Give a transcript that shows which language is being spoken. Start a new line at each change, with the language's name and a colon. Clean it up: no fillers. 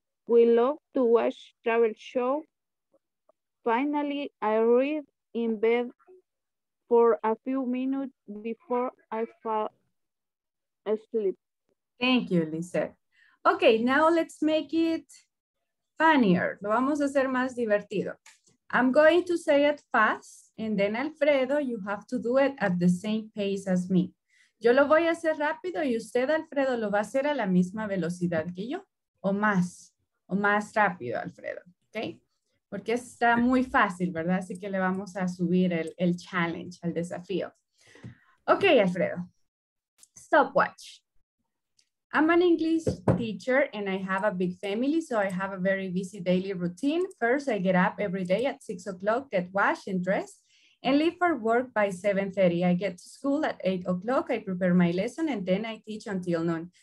English: We love to watch travel show. Finally, I read in bed for a few minutes before I fall asleep. Thank you, Lizeth. Okay, now let's make it funnier.
Spanish: Lo vamos a hacer más divertido.
English: I'm going to say it fast, and then Alfredo, you have to do it at the same pace as me.
Spanish: Yo lo voy a hacer rápido y usted, Alfredo, lo va a hacer a la misma velocidad que yo, o más rápido, Alfredo, okay? Porque está muy fácil, ¿verdad? Así que le vamos a subir el challenge, el desafío.
English: Okay, Alfredo, stopwatch. I'm an English teacher and I have a big family, so I have a very busy daily routine. First, I get up every day at 6 o'clock, get washed and dressed, and leave for work by 7:30. I get to school at 8 o'clock, I prepare my lesson, and then I teach until noon.